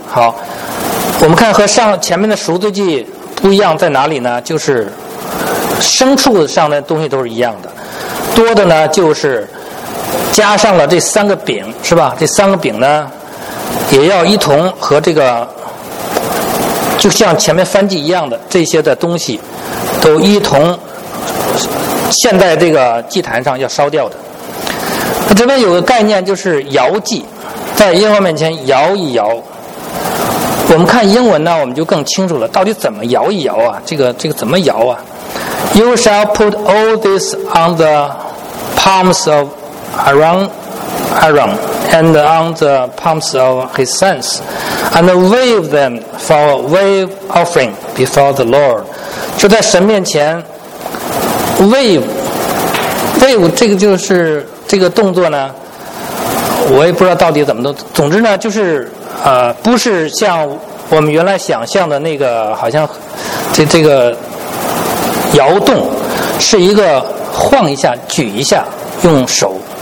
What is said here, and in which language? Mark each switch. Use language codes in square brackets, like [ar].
[zh] 好，我们看和上前面的赎罪祭不一样在哪里呢，就是牲畜上的东西都是一样的，多的呢就是加上了这三个饼是吧，这三个饼呢也要一同和这个就像前面燔祭一样的这些的东西都一同献在这个祭坛上要烧掉的。这边有个概念就是摇祭，在耶和华面前摇一摇，我们看英文呢，我们就更清楚了，到底怎么摇一摇啊？这个怎么摇啊 [en] ？You shall put all this on the palms of Aaron and on the palms of his sons, and wave them for a wave offering before the Lord. [zh] 就在神面前 wave 这个就是这个动作呢，我也不知道到底怎么弄。总之呢，就是不是像我们原来想象的那个，好像这个摇动，是一个晃一下、举一下，用手。